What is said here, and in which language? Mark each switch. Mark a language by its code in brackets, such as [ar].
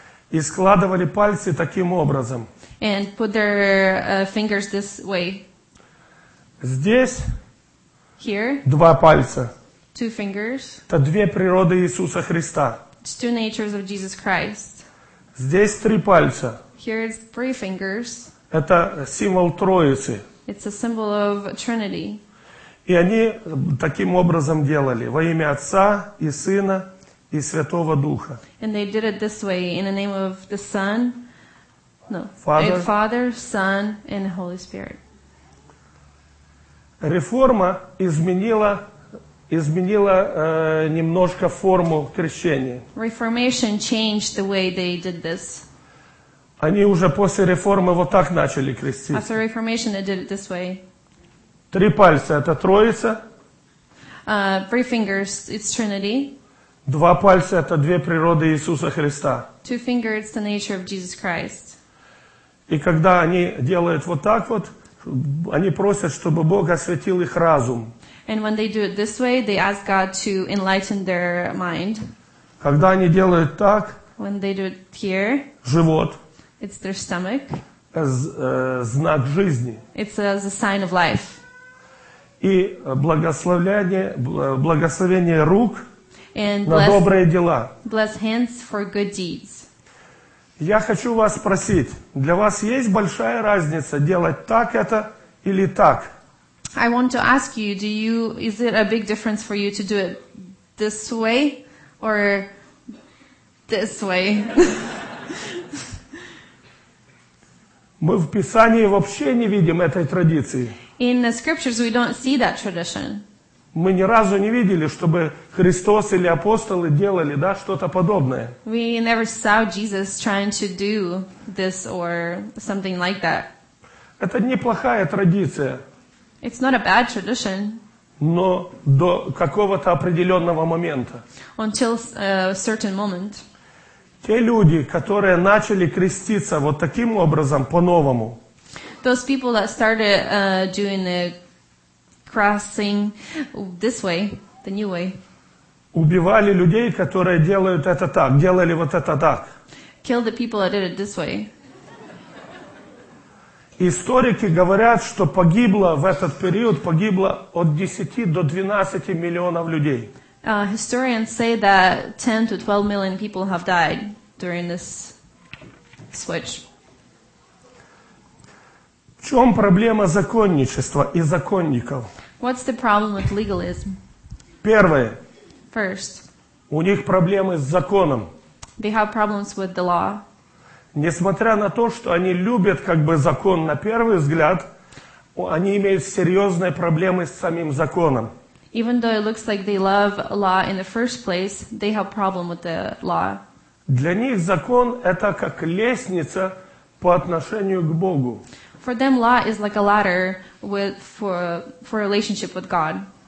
[ru] И складывали пальцы таким образом. [en] And put their fingers this way. [ru] Здесь. [en] Here. [ru] Два пальца. [en] Two fingers. [ru] Это две природы Иисуса Христа. [en] It's two natures of Jesus Christ. [ru] Здесь три пальца. [en] Here is three fingers. [ru] Это символ Троицы. [en] It's a symbol of Trinity. [ru] И они таким образом делали во имя Отца и Сына и Святого Духа. [en] And they did it this way in the name of the Son. No. Father, Son, and Holy Spirit. [ru] Реформа изменила немножко форму крещения. [en] Reformation changed the way they did this. [ru] Они уже после реформы вот так начали креститься. [en] After Reformation, they did it this way. [ru] Три пальца — это Троица. [en] Three fingers — it's Trinity. [ru] Два пальца — это две природы Иисуса Христа. [en] Two fingers — it's the nature of Jesus Christ. [ru] И когда они делают вот так вот, они просят, чтобы Бог осветил их разум. [en] And when they do it this way, they ask God to enlighten their mind. [ru] Когда они делают так, [en] when they do it here, [ru] живот, [en] it's their stomach, [ru] знак жизни, [en] it's a sign of life. [ru] И благословение рук [en] and [ru] на добрые дела. [en] Bless hands for good deeds. [ru] Я хочу вас спросить, для вас есть большая разница делать так это или так? [en] I want to ask you, is it a big difference for you to do it this way or this way? [ru] Мы в Писании вообще не видим этой традиции. [en] In the scriptures we don't see that tradition. [ru] Мы ни разу не видели, чтобы Христос или апостолы делали, да, что-то подобное. [en] We never saw Jesus trying to do this or something like that. [ru] Это неплохая традиция. [en] It's not a bad tradition. [ru] Но до какого-то определенного момента. [en] Until a certain moment. [ru] Те люди, которые начали креститься вот таким образом, по-новому. [en] Those people that started doing the crossing this way, the new way. [ru] Убивали людей, которые делают это так, делали вот это так. [en] Kill the people that did it this way. [ru] Историки говорят, что погибло в этот период, погибло от 10 до 12 миллионов людей. [en] Historians say that 10 to 12 million people have died during this switch. [ru] В чем проблема законничества и законников? [en] What's the problem with legalism? [ru] Первое. [en] First. [ru] У них проблемы с законом. [en] They have problems with the law. [ru] Несмотря на то, что они любят как бы закон на первый взгляд, они имеют серьезные проблемы с самим законом. [en] Even though it looks like they love law in the first place, they have problem with the law. [ru] Для них закон это как лестница по отношению к Богу. [en] For them, law is like a ladder for a relationship with God.